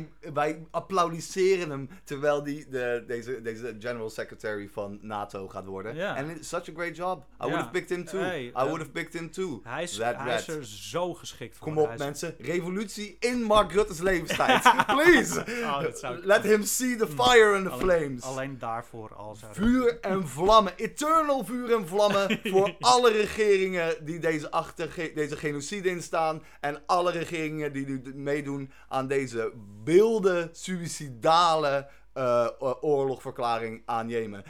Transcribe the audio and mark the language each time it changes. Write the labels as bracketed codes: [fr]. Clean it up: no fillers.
[nl] Wij applaudisseren hem terwijl deze general secretary van NATO gaat worden. [en] Yeah. And it's such a great job. I would have picked him too. [nl] Hij is er zo geschikt voor. Kom op, mensen. Revolutie in Mark Rutte's levenstijd. [en] Please. Let him see the fire and the flames. [nl] Alleen daarvoor al zou vuur en vlammen. Eternal vuur en vlammen voor alle regeringen die deze genocide instaan. En alle regeringen die meedoen aan deze wilde, suicidale oorlogverklaring aan Jemen.